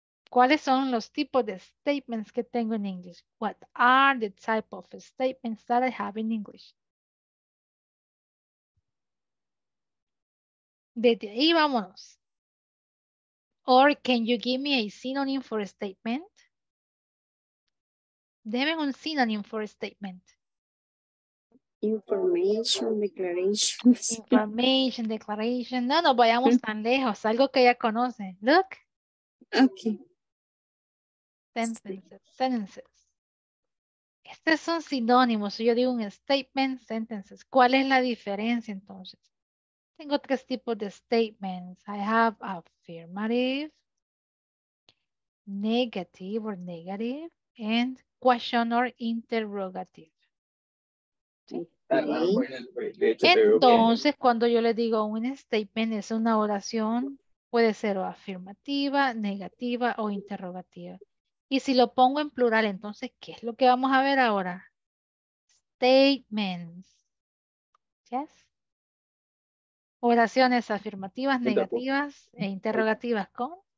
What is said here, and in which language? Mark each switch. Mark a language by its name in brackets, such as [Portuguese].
[Spanish] ¿Cuáles son los tipos de statements que tengo en English? [English] What are the type of statements that I have in English? [Spanish] Desde ahí vámonos. [English] Or can you give me a synonym for a statement? [Spanish] Deme un [English] synonym for a statement. Information, declaration. [Spanish] No, no vayamos tan lejos. Algo que ya conocen. Look. [English] Okay. [Spanish] Sentences. Este es un sinónimo. Si yo digo un statement, sentences. ¿Cuál es la diferencia entonces? Tengo tres tipos de statements. [English] I have affirmative, negative, and question or interrogative. [Spanish] Sí. Entonces, cuando yo le digo un statement, es una oración, puede ser afirmativa, negativa o interrogativa. Y si lo pongo en plural, entonces, ¿qué es lo que vamos a ver ahora? Statements. [English] Yes. [Spanish] Oraciones afirmativas, negativas e interrogativas con